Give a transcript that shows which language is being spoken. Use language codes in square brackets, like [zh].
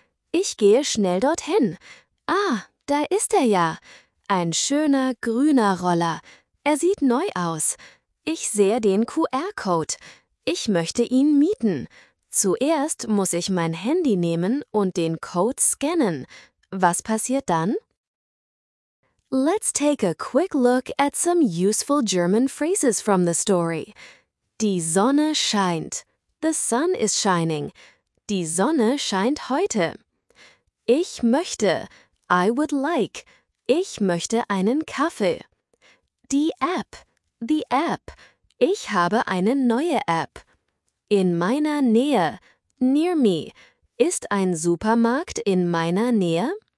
[de] Ich gehe schnell dorthin. Ah, da ist er ja. Ein schöner grüner Roller. Er sieht neu aus. Ich sehe den QR-Code. Ich möchte ihn mieten. Zuerst muss ich mein Handy nehmen und den Code scannen. Was passiert dann? [en] Let's take a quick look at some useful German phrases from the story. [de] Die Sonne scheint. [en] The sun is shining. [de] Die Sonne scheint heute. Ich möchte. [en] I would like. [de] Ich möchte einen Kaffee. Die App. [en] The app. [de] Ich habe eine neue App. In meiner Nähe, [en] near me, [de] ist ein Supermarkt in meiner Nähe?